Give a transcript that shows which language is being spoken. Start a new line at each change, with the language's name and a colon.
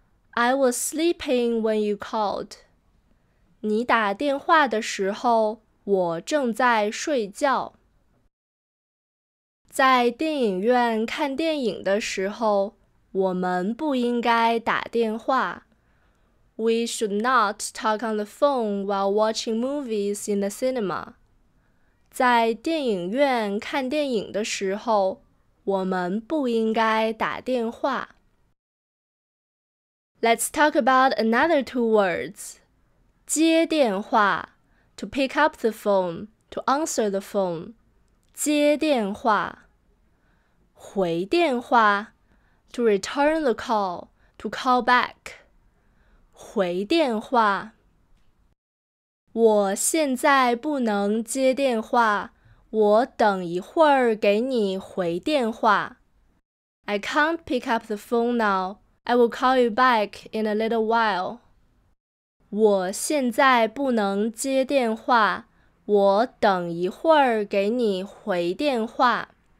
English: I was sleeping when you called.
Chinese: 你打电话的时候，我正在睡觉。在电影院看电影的时候，我们不应该打电话。
English: We should not talk on the phone while watching movies in the cinema.
Chinese: 在电影院看电影的时候，我们不应该打电话。
English: Let's talk about another two words.
Chinese: 接电话
English: to pick up the phone, to answer the phone.
Chinese: 接电话回电话
English: to return the call, to call back.
Chinese: 回电话我现在不能接电话我等一会儿给你回电话
English: I can't pick up the phone now. I will call you back in a little while.
Chinese: 我现在不能接电话，我等一会儿给你回电话。